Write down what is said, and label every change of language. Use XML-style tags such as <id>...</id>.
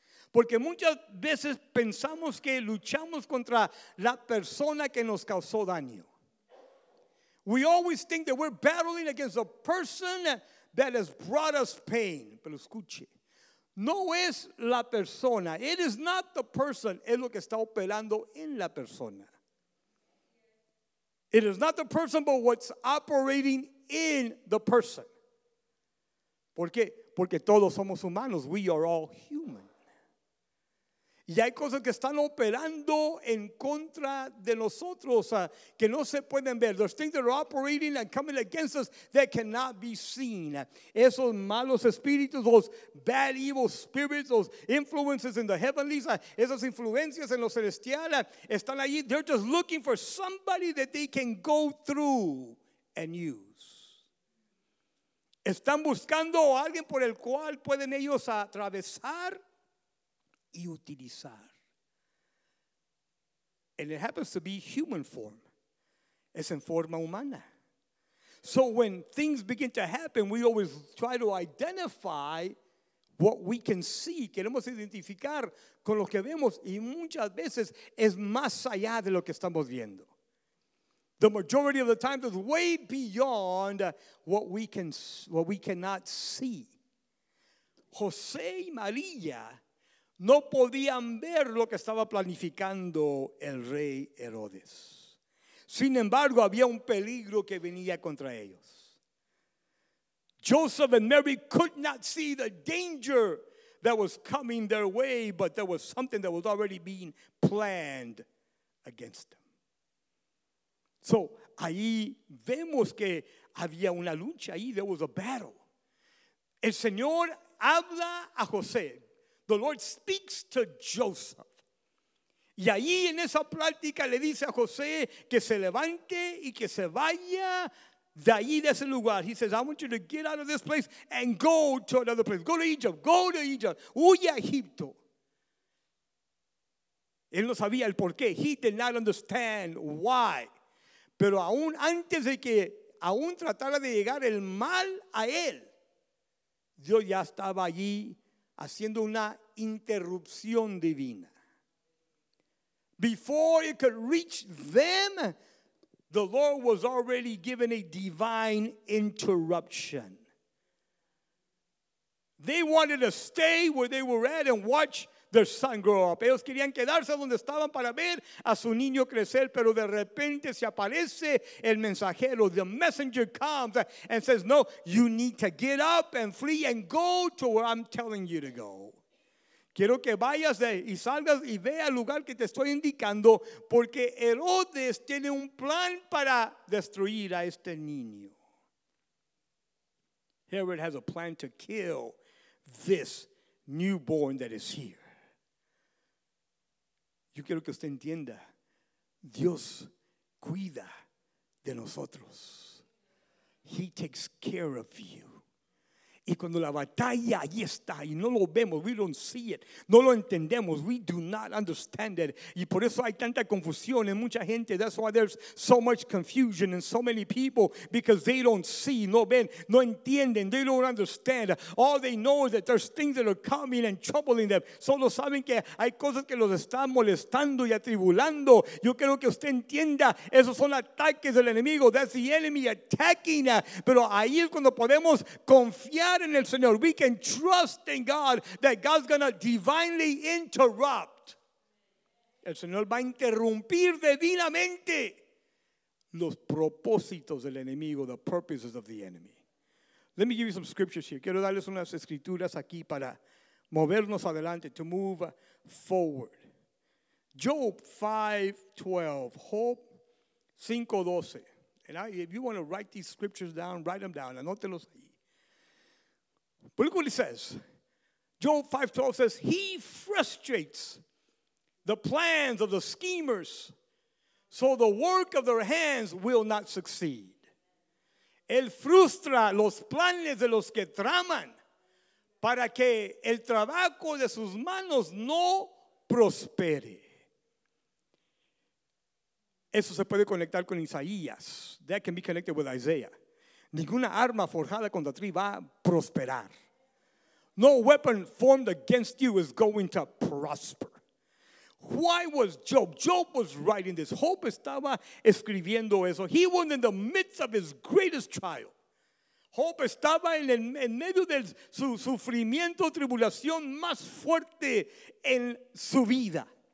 <es>Porque muchas veces pensamos que luchamos contra la persona que nos causó daño.</es> <en>We always think that we're battling against a person that has brought us pain.</en> <es>Pero escuche. No es la persona.</es> <en>It is not the person.</en> <es>Es lo que está operando en la persona.</es> <en>It is not the person, but what's operating in the person.</en> <es>¿Por qué? Porque todos somos humanos.</es> <en>We are all human.</en> <es>Y hay cosas que están operando en contra de nosotros que no se pueden ver.</es> <en>There's things that are operating and coming against us that cannot be seen.</en> <es>Esos malos espíritus,</es> <en>those bad evil spirits, those influences in the heavenlies,</en> <es>esas influencias en lo celestial, están allí.</es> <en>They're just looking for somebody that they can go through and use.</en> <es>Están buscando a alguien por el cual pueden ellos atravesar y utilizar.</es> <en>And it happens to be human form.</en> <es>Es en forma humana.</es> <en>So when things begin to happen, we always try to identify what we can see.</en> <es>Queremos identificar con lo que vemos, y muchas veces es más allá de lo que estamos viendo.</es> <en>The majority of the time is way beyond what we cannot see.</en> <es>José y María no podían ver lo que estaba planificando el rey Herodes. Sin embargo, había un peligro que venía contra ellos.</es> <en>Joseph and Mary could not see the danger that was coming their way, but there was something that was already being planned against them.</en> <es>So, ahí vemos que había una lucha ahí.</es> <en>There was a battle.</en> <es>El Señor habla a José.</es> <en>The Lord speaks to Joseph.</en> <es>Y ahí en esa plática le dice a José que se levante y que se vaya de ahí, de ese lugar.</es> <en>He says, I want you to get out of this place and go to another place. Go to Egypt. Go to Egypt.</en> <es>Huye a Egipto. Él no sabía el por qué.</es> <en>He did not understand why.</en> <es>Pero aún antes de que aún tratara de llegar el mal a él, Dios ya estaba allí haciendo una interrupción divina.</es> <en>Before it could reach them, the Lord was already given a divine interruption. They wanted to stay where they were at and watch their son grow up.</en> <es>Ellos querían quedarse donde estaban para ver a su niño crecer, pero de repente se aparece el mensajero.</es> <en>The messenger comes and says, no, you need to get up and flee and go to where I'm telling you to go.</en> <es>Quiero que vayas y salgas y ve al lugar que te estoy indicando, porque Herodes tiene un plan para destruir a este niño.</es> <en>Herod has a plan to kill this newborn that is here.</en> <es>Yo quiero que usted entienda, Dios cuida de nosotros.</es> <en>He takes care of you.</en> <es>Y cuando la batalla allí está y no lo vemos,</es> <en>we don't see it,</en> <es>no lo entendemos,</es> <en>we do not understand it.</en> <es>Y por eso hay tanta confusión en mucha gente.</es> <en>That's why there's so much confusion in so many people, because they don't see,</en> <es>no ven, no entienden,</es> <en>they don't understand. All they know is that there's things that are coming and troubling them.</en> <es>Solo saben que hay cosas que los están molestando y atribulando. Yo quiero que usted entienda, esos son ataques del enemigo.</es> <en>That's the enemy attacking.</en> <es>Pero ahí es cuando podemos confiar in el Señor.</es> <en>We can trust in God that God's going to divinely interrupt.</en> <es>El Señor va a interrumpir divinamente los propósitos del enemigo,</es> <en>the purposes of the enemy. Let me give you some scriptures here.</en> <es>Quiero darles unas escrituras aquí para movernos adelante,</es> <en>to move forward. Job 5:12, Job 5:12. And if you want to write these scriptures down, write them down.</en> <es>Anótelos ahí.</es> <en>But look what it says. Job 5:12 says, he frustrates the plans of the schemers, so the work of their hands will not succeed.</en> <es>Él frustra los planes de los que traman para que el trabajo de sus manos no prospere. Eso se puede conectar con Isaías.</es> <en>That can be connected with Isaiah.</en> <es>Ninguna arma forjada contra ti va a prosperar.</es> <en>No weapon formed against you is going to prosper. Why was Job? Job was writing this.</en> <es>Job estaba escribiendo eso.</es> <en>He was in the midst of his greatest trial.</en> <es>Job estaba en medio de su sufrimiento, tribulación más fuerte en su vida.</es>